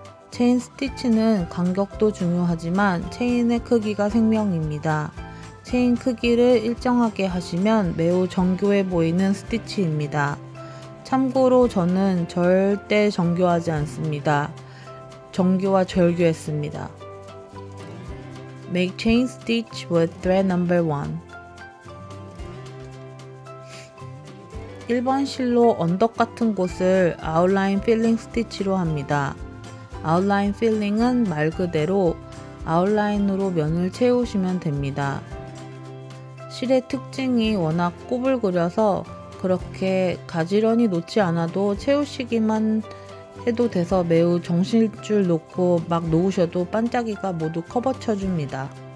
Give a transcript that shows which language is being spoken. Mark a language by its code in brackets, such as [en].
[ko] 체인 스티치는 간격도 중요하지만 체인의 크기가 생명입니다. 체인 크기를 일정하게 하시면 매우 정교해 보이는 스티치입니다. 참고로 저는 절대 정교하지 않습니다. 정교와 절교했습니다. [en] Make chain stitch with thread number 1. [ko] 1번 실로 언덕 같은 곳을 아웃라인 필링 스티치로 합니다. 아웃라인 필링은 말 그대로 아웃라인으로 면을 채우시면 됩니다. 실의 특징이 워낙 꼬불그려서 그렇게 가지런히 놓지 않아도 채우시기만 해도 돼서 매우 정신줄 놓고 막 놓으셔도 반짝이가 모두 커버쳐줍니다.